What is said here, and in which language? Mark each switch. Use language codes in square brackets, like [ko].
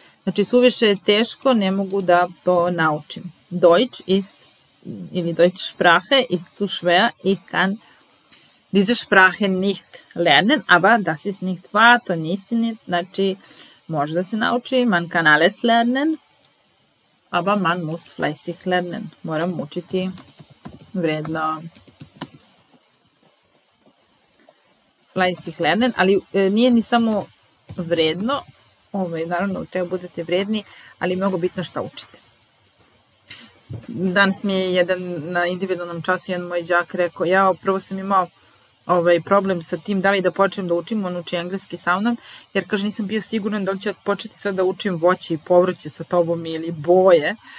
[sr] Znači, suviše je teško, ne mogu da to naučim. [de] Deutsch ist, ili Deutsch Sprache ist zu schwer, ich kann diese Sprache nicht lernen, aber das ist nicht wahr, [sr] to nije istini, znači, može da se nauči, [de] man kann alles lernen, aber man muss fleißig lernen, [sr] moram učiti, vredno. Fleißig lernen, ali nije ni samo vredno, naravno, treba budete vredni, ali mnogo bitno šta učite. Danas mi je jedan na individualnom času, jedan moj đak rekao, ja prvo sam imao problem sa tim da li da počnem da učim, on uči engleski sa mnom, jer kaže nisam bio siguran da li ću početi sad da učim voće i povrće sa tobom ili boje.